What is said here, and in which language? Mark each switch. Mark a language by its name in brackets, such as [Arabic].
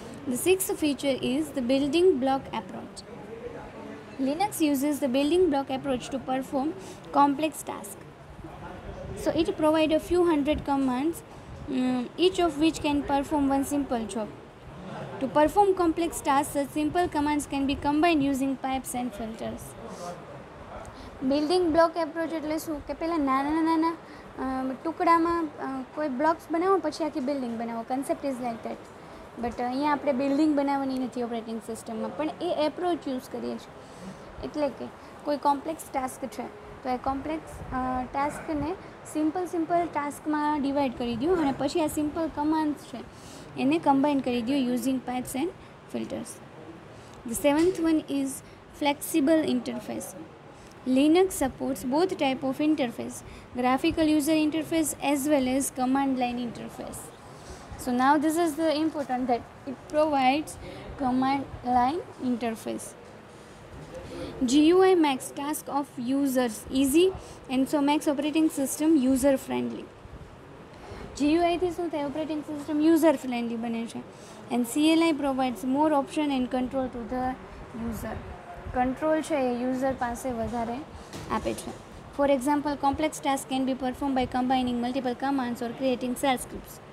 [English] The sixth feature is the building block approach. Linux uses the building block approach to perform complex task. So it provide a few hundred commands, each of which can perform one simple job. To perform complex tasks, such simple commands can be combined using pipes and filters. [Gujarati] Building block approach એટલે શું કે પહેલાં નાના નાના ટુકડામાં કોઈ blocks બનાવો, પછી આખી બિલ્ડિંગ બનાવો. [English] Concept is like that. [Gujarati] But અહીંયા આપણે બિલ્ડિંગ બનાવવાની નથી ઓપરેટિંગ સિસ્ટમમાં, પણ એ એપ્રોચ યુઝ કરીએ છીએ. એટલે કે કોઈ કોમ્પ્લેક્સ ટાસ્ક છે તો એ કોમ્પ્લેક્સ ટાસ્કને સિમ્પલ સિમ્પલ ટાસ્કમાં ડિવાઇડ કરી દઉં, અને પછી આ સિમ્પલ કમાન્ડ્સ છે એને કમ્બાઈન કરી દઉં [English] Using pipes and filters. The seventh one is flexible interface. Linux supports both type of interface, graphical user interface as well as command line interface. So now this is the important that it provides command line interface. GUI makes task of users easy and so makes operating system user friendly. [Gujarati] GUI થી શું થાય, operating system user friendly બને છે. [English] And CLI provides more option and control to the user. [Gujarati] Control છે એ user પાસે વધારે આપે છે. [English] For example, complex task can be perform by combining multiple commands or creating shell script.